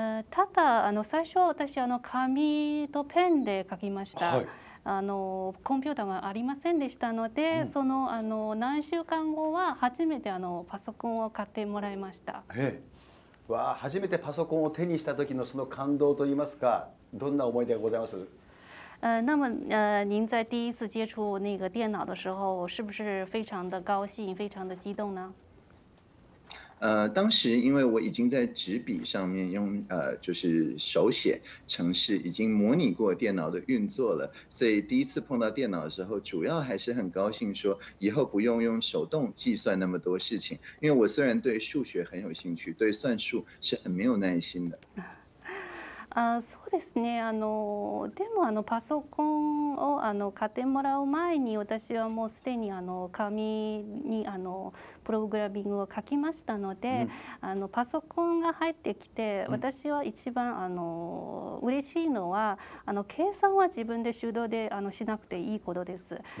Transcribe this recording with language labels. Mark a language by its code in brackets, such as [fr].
[ja] ただ最初私紙とペンで書きました。コンピューターがありませんでしたので、その何週間後は初めてパソコンを買ってもらいました。わあ、初めてパソコンを手にした時のその感動といいますか、どんな思い出がございます？ [zh] 那么您在第一次接触那个电脑的时候，是不是非常的高兴，非常的激动呢？当时因为我已经在纸笔上面用就是手写程式，已经模拟过电脑的运作了，所以第一次碰到电脑的时候，主要还是很高兴，说以后不用用手动计算那么多事情。因为我虽然对数学很有兴趣，对算术是很没有耐心的。 [ja] そうですね。でもパソコンを買ってもらう前に、私はもうすでに紙にプログラミングを書きましたので、パソコンが入ってきて、私は一番嬉しいのは、計算は自分で手動でしなくていいことです。